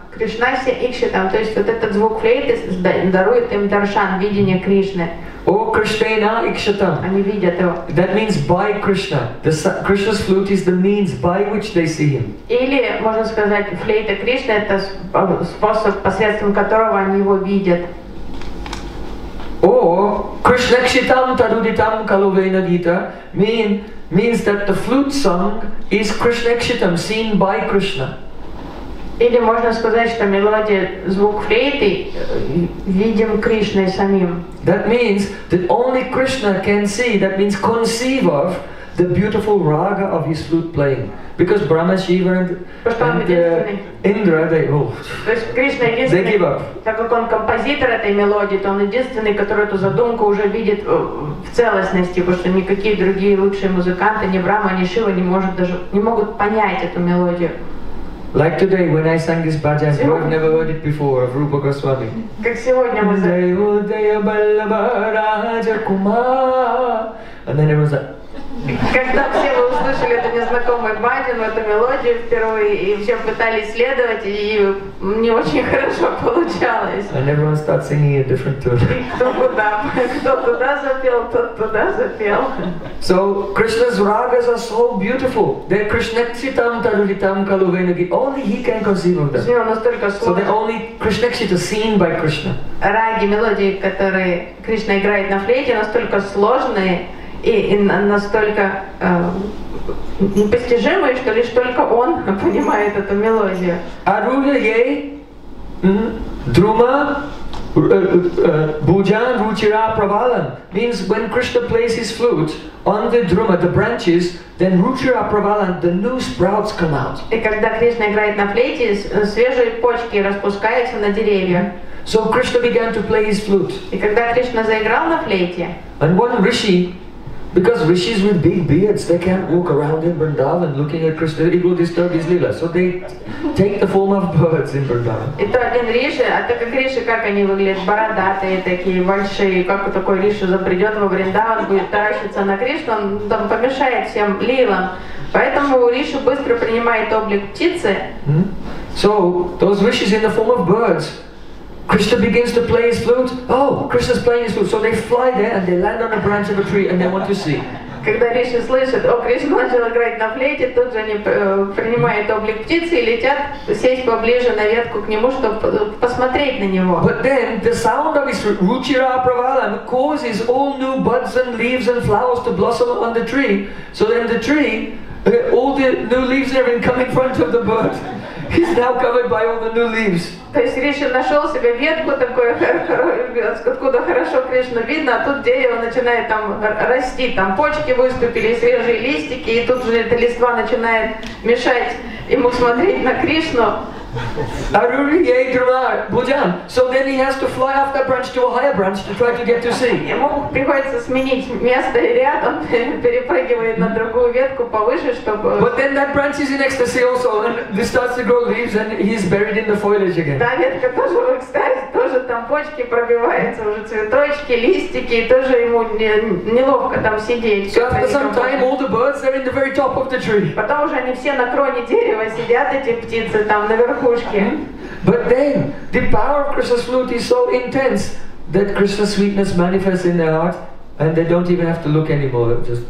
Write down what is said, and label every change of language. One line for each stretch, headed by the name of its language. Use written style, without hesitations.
Russian: Кришна се икшитам, то есть вот этот звук флейты дарует им даршан, видение Кришны.
Sanskrit: О Кришна икшитам.
Russian: Они видят его.
English: That means by Krishna. The Krishna's flute is the means by which they see him.
Russian: Или можно сказать, флейта Кришны это способ, посредством которого они его видят.
Sanskrit: О Кришна икшитам тадудитам калувейна гита
English: means that the flute song is Krishna икшитам, seen by Krishna.
Russian: Или можно сказать, что мелодия, звук флейты видим Кришной самим.
English: That means that only Krishna can see, that means conceive of the beautiful raga of his flute playing. Because Brahma, Shiva and Indra, they give up.
Russian: Так как он композитор этой мелодии, то он единственный, который эту задумку уже видит в целостности, потому что никакие другие лучшие музыканты, ни Брама, ни Шива, не могут понять эту мелодию.
English: Like today when I sang this bhajan, you have never heard it before, of Rupa Goswami.
Russian: Как сегодня мы знаем.
Sanskrit: Дайо дайо баллабараджа кума.
English: And then everyone's like.
Russian: Когда все вы услышали эту незнакомую бхаджан, эту мелодию впервые, и все пытались следовать, и не очень хорошо получалось.
English: And everyone starts singing a different tune.
Russian: Кто туда запел, тот туда запел.
English: So Krishna's ragas are so beautiful. They're
Sanskrit: Krishna kshitam taduditam kaluvenagi.
English: Only he can conceive of them. So they're only Krishna kshita, seen by Krishna.
Russian: Раги, мелодии, которые Кришна играет на флейте, настолько сложные и настолько непостижимые, что лишь только он понимает эту мелодию.
Sanskrit: Аруля ей друма Bhujan Ruchira Pravalan
English: means when Krishna plays his flute on the druma, the branches, then Ruchira Pravalan, the new sprouts come out.
Russian: И когда Кришна играет на флейте, свежие почки распускаются на деревья.
English: So Krishna began to play his flute.
Russian: И когда Кришна заиграл на флейте.
English: And one rishi, because rishis with big beards, they can't walk around in Vrindavan looking at Krishna, it will disturb his lila. So they take the form of birds in Vrindavan.
Russian: Это один риши, а так как риши, как они выглядят, бородатые такие, большие, как такой риши запредет во Вриндаван, будет таращиться на Кришну, он там помешает всем лилам. Поэтому риши быстро принимает облик птицы.
English: So those rishis in the form of birds. Krishna begins to play his flute. Oh, Krishna's playing his flute. So they fly there and they land on a branch of a tree and they want to see.
Russian: Когда риши слышат, о, Кришна начал играть на флейте, тут же они принимают облик птицы и летят сесть поближе на ветку к нему, чтобы посмотреть на него.
English: But then the sound of his Ruchira Pravalam causes all new buds and leaves and flowers to blossom on the tree. So then the tree, all the new leaves and everything come in front of the bird. He's now covered by all the new leaves.
Russian: То есть Риша нашел себе ветку такую, откуда хорошо Кришну видно, а тут дерево начинает там расти, там почки выступили, свежие листики, и тут же эта листва начинает мешать ему смотреть на Кришну.
Sanskrit: Aruri yei druma bhujan.
English: So then he has to fly off that branch to a higher branch to try to get to see.
Russian: Ему приходится сменить место и ряд, он перепрыгивает на другую ветку повыше, чтобы...
English: But then that branch is in ecstasy also, and this starts to grow leaves, and he's buried in the foliage again.
Russian: Та ветка тоже в экстазе, тоже там почки пробиваются, уже цветочки, листики, и тоже ему неловко там сидеть.
English: So after some time, all the birds are in the very top of the tree.
Russian: Потом уже они все на кроне дерева сидят, эти птицы там наверху.
English: But then the power of Krishna's flute is so intense that Krishna's sweetness manifests in their heart and they don't even have to look anymore.